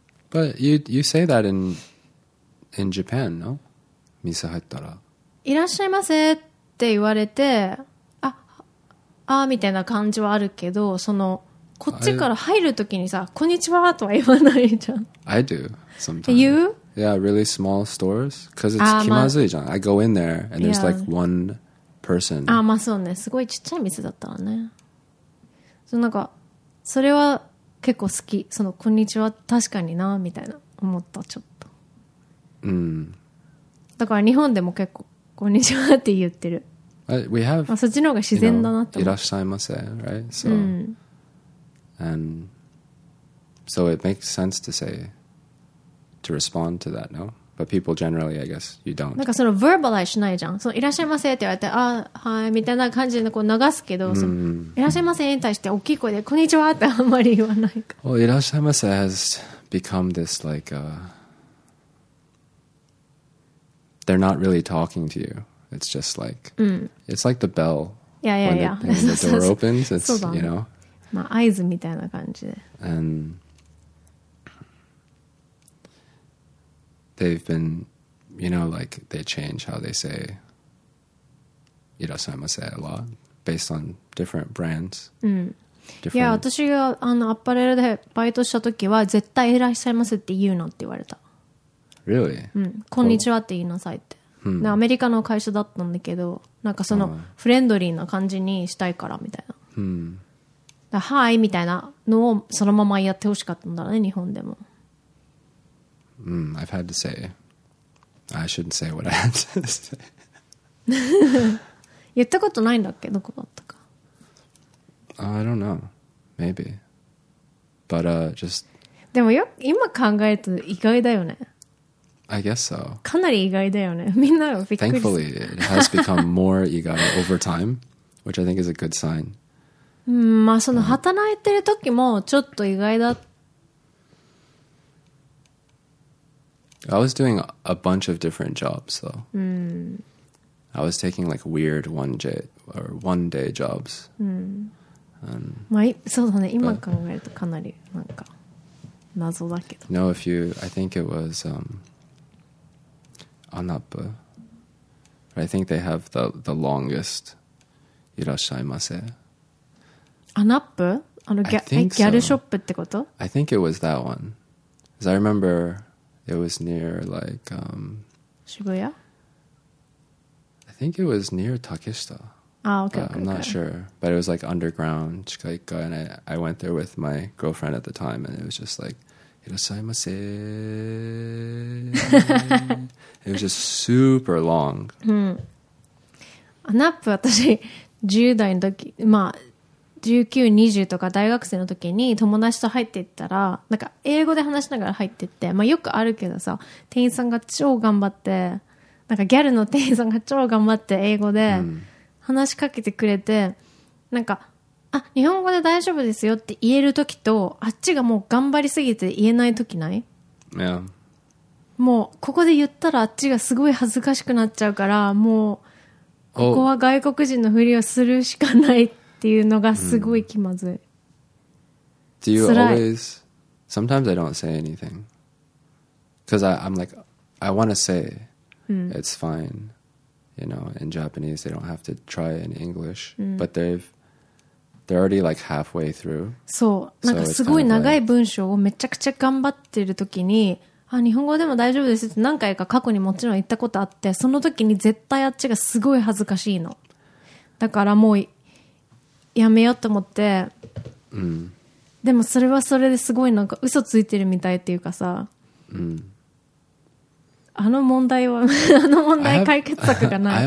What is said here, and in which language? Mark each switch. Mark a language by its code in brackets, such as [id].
[en] But you say that in Japan, no? [ja] 店入ったらいらっしゃいませって言われてああみたいな感じはあるけどそのこっちから入るときにさこんにちはとは言わないじゃん [en] I do sometimes You? Yeah, really small stores. Because it's [ja] 気まずいじゃん、 [en] まあ、I go in there and there's、yeah. like one person. [ja] ああ、まあそうね。すごいちっちゃい店だったらね。そのなんか、それは結構好き。その、こんにちは、確かにな、みたいな思った、ちょっと。うん。だから日本でも結構、こんにちはって言ってる。 [en] We have, [ja] まあ、そっちの方が自然だなって思った。いらっしゃいませ、 [en] right? So,、うん、and so it makes sense to say. To respond to that, no? But people generally, I guess, you don't. [ja] なんかその verbalize しないじゃん。そのいらっしゃいませって言われて、あ、はいみたいな感じでこう流すけど、mm-hmm. そのいらっしゃいませに対して大きい声でこんにちはってあんまり言わないか。 [en] Well, いらっしゃいませ has become this like a... they're not really talking to you. It's just like、 mm. it's like the bell. Yeah, yeah, when yeah. When the door opens, it's you know. [ja] まあ合図みたいな感じで。 [en] And... They've been, you know, like they change how they say irasaimase a lot based on different brands. [ja] いや、私があのアパレルでバイトした時は絶対いらっしゃいませって言うなって言われた。 [en] Really? [ja] うん、こんにちはって言いなさいって。 [en] Oh. [ja] でアメリカの会社だったんだけど、なんかそのフレンドリーな感じにしたいからみたいな。だはいみたいなのをそのままやってほしかったんだね、日本でも。 [en] Mm, I've had to say I shouldn't say what I had to say. [ja] 言ったことないんだっけ、どこだったか。 [en] I don't know. Maybe. But, just... [ja] でもよ、今考えると意外だよね。 [en] I guess so. [ja] かなり意外だよね。みんなはびっくりした。 [en] Thankfully, it has become more 意外 over time, which I think is a good sign. [ja] まあ、その働いてる時もちょっと意外だ。 [en] I was doing a bunch of different jobs, though. I was taking like weird one day jobs. [ja] そうだね。今考えるとかなりなんか謎だけど。 [en] No, if you, I think it was Anappa. But I think they have the longest いらっしゃいませ。 Anappa? [ja] あのギャルショップってこと？ [en] I think it was that one. Because I remember... It was near like, Shibuya? I think it was near Takeshita. Ah, okay. I'm not sure. But it was like underground, Chikaika, and I went there with my girlfriend at the time, and it was just like, Irasaimase. It was just super long. [ja] Anap, [en] I was [ja] 10 代の時、まあ19、20とか大学生の時に友達と入っていったら、なんか英語で話しながら入っていって、まあよくあるけどさ、店員さんが超頑張って、なんかギャルの店員さんが超頑張って英語で話しかけてくれて、なんか、あ、日本語で大丈夫ですよって言える時と、あっちがもう頑張りすぎて言えない時ない？ [en] Yeah. [ja] もうここで言ったらあっちがすごい恥ずかしくなっちゃうから、もうここは外国人のふりをするしかないって。 [en] Do you always? Sometimes I don't say anything because I'm like I want to say it's fine, you know. In Japanese, they don't have to try in English, but they're already like halfway through. [ja] そう、なんかすごい長い文章をめちゃくちゃ頑張ってる時に、あ、日本語でも大丈夫ですって何回か過去にもちろん言ったことあって、その時に絶対あっちがすごい恥ずかしいの。だからもう。やめようと思って、でもそれはそれですごいなんか嘘ついてるみたいっていうかさ、あの問題はあの問題解決策がない。